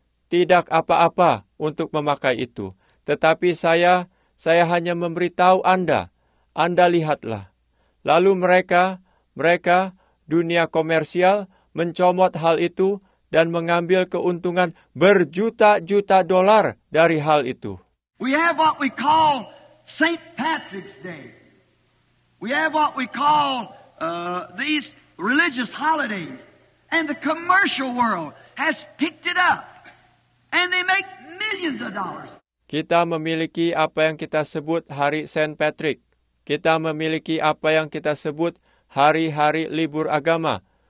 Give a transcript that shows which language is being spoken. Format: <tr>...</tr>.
<id>Tidak apa-apa untuk memakai itu. Tetapi saya hanya memberitahu Anda. Anda lihatlah. Lalu mereka dunia komersial mencomot hal itu dan mengambil keuntungan berjuta-juta dolar dari hal itu.</id> <en>We have what we call St. Patrick's Day. We have what we call these religious holidays. And the commercial world has picked it up. And they make millions of dollars.</en> <id>Kita memiliki apa yang kita sebut hari St. Patrick. Kita memiliki apa yang kita sebut hari-hari libur agama.</id>